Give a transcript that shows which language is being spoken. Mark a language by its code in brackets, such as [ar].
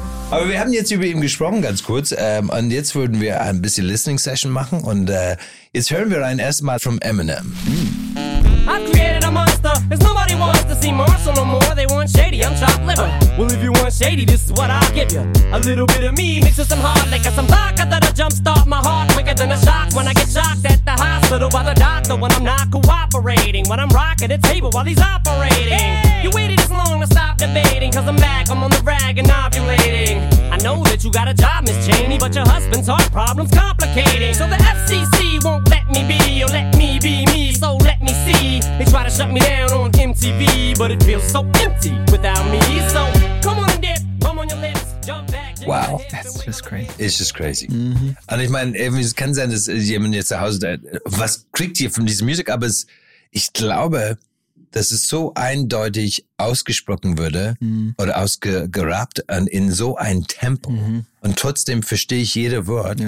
[de] Aber wir haben jetzt über ihn gesprochen, ganz kurz. Und jetzt würden wir ein bisschen Listening Session machen. Und jetzt hören wir rein erstmal von Eminem. [en] I've created a monster, 'cause nobody wants to see Marshall no more. They want Shady, I'm chopped liver. Well, if you want Shady, this is what I'll give you. A little bit of me mixed with some hard liquor, some vodka that'll jumpstart my heart quicker than a shock when I get shocked at the hospital by the doctor when I'm not cooperating, when I'm rocking the table while he's operating. Hey! You waited this long to stop debating, 'cause I'm back, I'm on the rag and ovulating. I know that you got a job, Miss Cheney, but your husband's heart problem's complicating. So the FCC won't let me be, or let me be me, so let me see. They try to shut me down on MTV, but it feels so empty without me. So come on and dip, come on your lips, jump back. Wow. That's just crazy. Mm-hmm. [de] Und ich meine, es kann sein, dass jemand jetzt zu Hause da, was kriegt ihr von dieser Musik? Aber es, ich glaube, dass es so eindeutig ausgesprochen würde oder ausgerappt in so ein Tempo. Mhm. Und trotzdem verstehe ich jedes Wort.